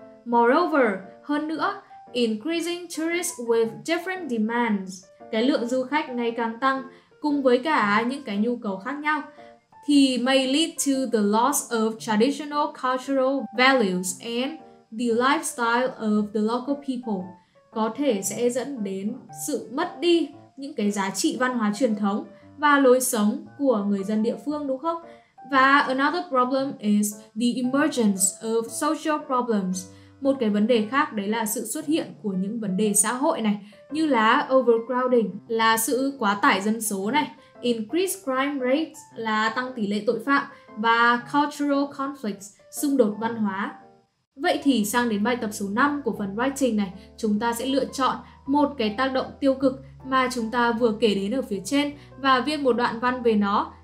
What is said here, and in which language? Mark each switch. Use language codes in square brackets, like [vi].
[en] Moreover, [vi] hơn nữa, [en] increasing tourists with different demands, [vi] cái lượng du khách ngày càng tăng cùng với cả những cái nhu cầu khác nhau, thì [en] may lead to the loss of traditional cultural values and the lifestyle of the local people, [vi] có thể sẽ dẫn đến sự mất đi những cái giá trị văn hóa truyền thống và lối sống của người dân địa phương, đúng không? Và [en] another problem is the emergence of social problems. [vi] Một cái vấn đề khác đấy là sự xuất hiện của những vấn đề xã hội này, như là overcrowding, là sự quá tải dân số này, [en] increased crime rates, [vi] là tăng tỷ lệ tội phạm, và [en] cultural conflicts, [vi] xung đột văn hóa. Vậy thì sang đến bài tập số 5 của phần writing này, chúng ta sẽ lựa chọn một cái tác động tiêu cực mà chúng ta vừa kể đến ở phía trên và viết một đoạn văn về nó.